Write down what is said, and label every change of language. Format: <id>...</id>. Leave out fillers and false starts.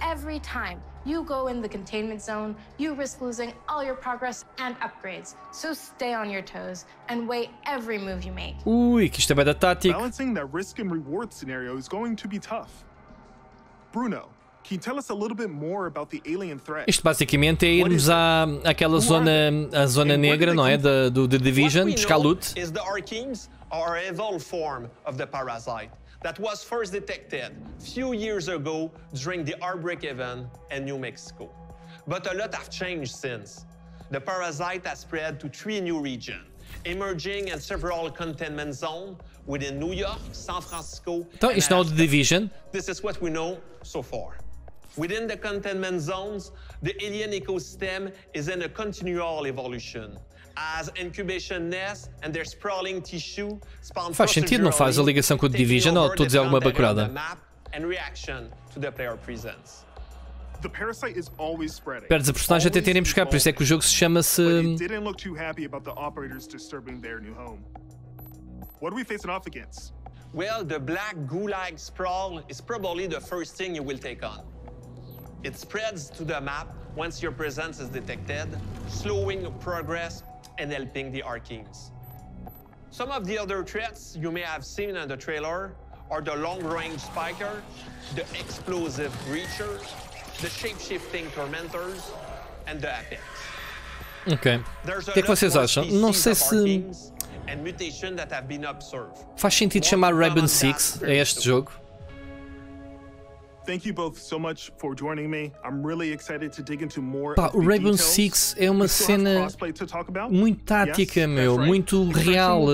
<en>Every time you go in the containment zone, you risk losing all your progress and upgrades. So stay on your toes and weigh every move you make.</en> <pt>Ui, que isto é bem da tática.</pt> <en>Balancing that risk and reward scenario is going to be tough. Bruno, can you tell us a little bit more about the alien threat?</en> <pt>Isto basicamente é irmos àquela zona, à zona negra, não é, do Division, buscar loot.</pt> <en>Is the Arkeens are an evolved form of the parasite that was first detected few years ago during the outbreak event in New Mexico. But a lot have changed since. The parasite has spread to three new regions, emerging in several containment zones within New York, San Francisco.</en> <pt>Então, isto não é o The Division?</pt> <en>This is what we know so far. Within the containment zones, the alien ecosystem is in a continual evolution, as incubation nests and their sprawling tissue spawn.</en> <pt>Faz sentido, não faz a ligação com o Division, ou estou a dizer alguma bacurada?</pt> <en>And reaction to the player presence. The parasite is always spreading.</en> <pt>Perdes a personagem até terem buscar, por isso é que o jogo se chama-se.</pt> <en>But it didn't look too happy about the operators disturbing their new home. What are we facing off against? Well, the black goo-like sprawl is probably the first thing you will take on. It spreads to the map once your presence is detected, slowing progress and helping the Arkeens. Some of the other threats you may have seen in the trailer are the long-range spiker, the explosive breacher, the shape-shifting tormentors, and the apex. Okay. There's a lot of species of Arkeens and mutations that have been observed.</en> <pt>Faz sentido chamar Raven 6 a este jogo?</pt> <en>Thank you both so much for joining me. I'm really excited to dig into more.</en> <pt>Pá, o Rainbow Six é uma cena muito tática, yes, meu, muito real.</pt>